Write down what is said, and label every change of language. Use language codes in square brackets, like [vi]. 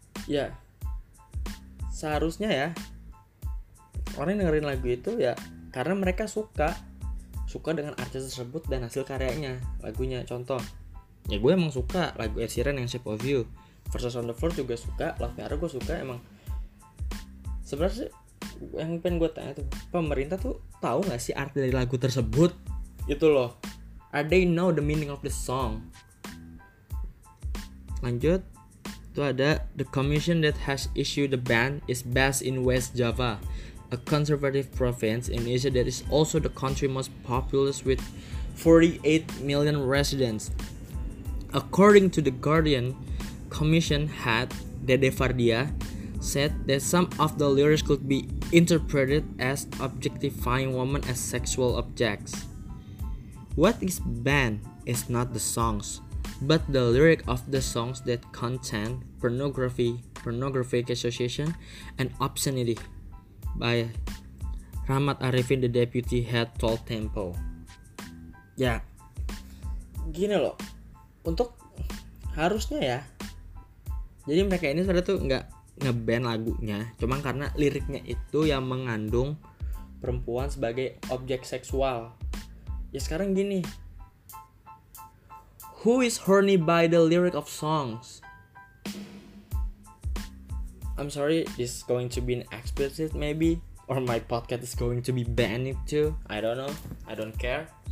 [id] Ya seharusnya ya orang yang dengerin lagu itu ya karena mereka suka dengan artis tersebut dan hasil karyanya, lagunya. Contoh, ya gue emang suka lagu Ed Sheeran yang Shape of You, Versus on the Floor juga suka, Love Me Harder gue suka. Emang sebenarnya yang pengen gue tanya tuh, pemerintah tuh tahu nggak sih arti dari lagu tersebut itu loh? [en] Are they know the meaning of the song? [id] Lanjut, itu ada [en] the commission that has issued the ban is based in West Java, a conservative province in Asia that is also the country most populous with 48 million residents. According to the Guardian, commission had Dede Fardia said that some of the lyrics could be interpreted as objectifying women as sexual objects. What is banned is not the songs, but the lyric of the songs that contain pornography, pornographic association, and obscenity, by Rahmat Arifin, the deputy head Tol Tempo. [id] Ya, gini loh, untuk harusnya ya, jadi mereka ini sebenarnya tuh nggak ngeban lagunya, cuman karena liriknya itu yang mengandung perempuan sebagai objek seksual. Ya sekarang gini, [en] who is horny by the lyric of songs? I'm sorry, this is going to be an explicit maybe, or my podcast is going to be banned too. I don't know, I don't care.